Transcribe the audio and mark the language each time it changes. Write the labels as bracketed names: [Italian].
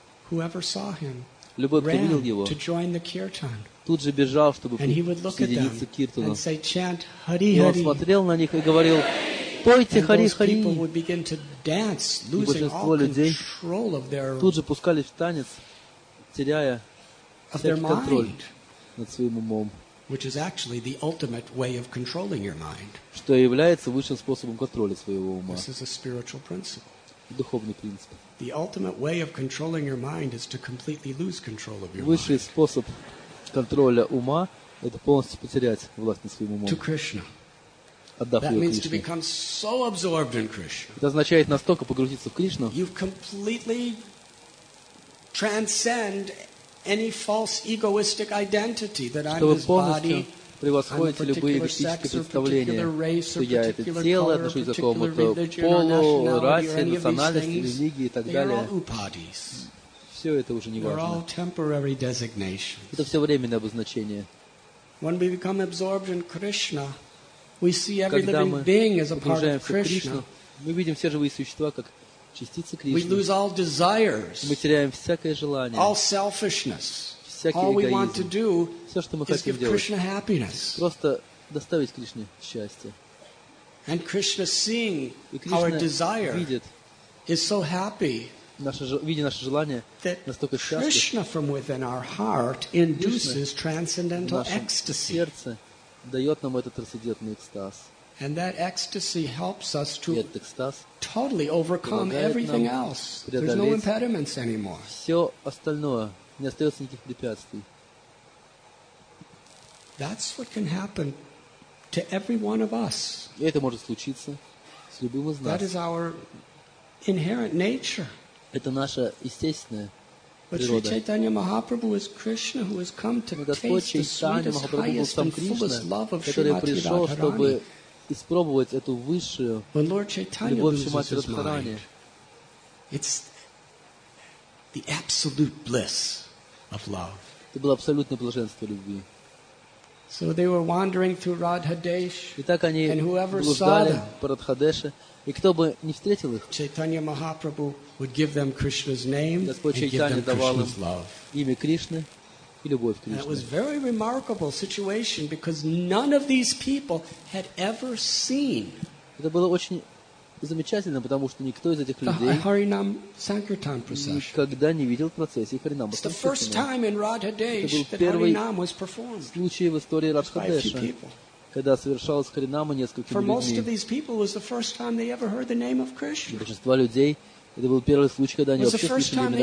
[Russian] Любой, кто видел его, тут же бежал, чтобы присоединиться к киртану. И он смотрел на них и говорил, «Пойте, хари, хари!» И большинство людей тут же пускались в танец, теряя всякий контроль над своим умом, [English] which is actually the ultimate way of controlling your mind. [Russian] Что является высшим способом контроля своего ума. [English] This is a spiritual principle. [Russian] Духовный принцип. [English] The ultimate way of controlling your mind is to completely lose control of your mind. [Russian] Высший способ контроля ума – это полностью потерять власть над своим умом. [English] To Krishna. [Russian] Отдав [English] that means to become so absorbed in Krishna. [Russian] Это означает настолько погрузиться в Кришну. [English] You've completely transcend any false egoistic identity that I'm this body. [Russian] Превосходите любые эгоистические представления, что я это тело, отношусь к какому-то полу, расе, национальности, религии и так далее. Все это уже не важно. Это все временное обозначение. Когда мы погружаемся в Кришну, мы видим все живые существа как частицы Кришны. Мы теряем всякое желание, всякий эгоизм. [English] All we want to do is give Krishna happiness. [Russian] Просто доставить Кришне счастье. [English] And Krishna seeing our desire is so happy. [Russian] Видя наше желание, настолько счастлив. [English] Krishna from within our heart induces transcendental ecstasy. [Russian] Сердце дает нам этот трансцендентный экстаз. [English] And that ecstasy helps us to totally overcome everything else. There's no impediments anymore. [Russian] Все остальное. Не остается никаких препятствий. [English] That's what can happen to every one of us. [Russian] И это может случиться с любым из нас. [English] That is our inherent nature. [Russian] Это наша естественная природа. [English] But Sri Chaitanya Mahaprabhu is Krishna who has come to taste the sweetest, highest, love of Shri Mati Radharani. When Lord Chaitanya loses his mind, it's the absolute bliss. Of love. [Russian] Это было абсолютное блаженство любви. [English] So they were wandering through Radhadesh. [Russian] И так они блуждали по Радхадеше. И кто бы не встретил их, [English] Чайтанья Махапрабху would give them Krishna's name and give them Krishna's love. That was very remarkable situation because none of these people had ever seen. [Russian] Это было очень замечательно, потому что никто из этих людей никогда не видел процессии Харинам. [English] It's the first time in Radhadesh that Харинам was performed. [Russian] Случай в истории Радхадеша, когда совершалась Харинама несколькими людьми. [English] For most of these people, it was the first time they ever heard the name of Krishna. [Russian] Для большинства людей это был первый случай, когда они вообще слышали имя Кришны.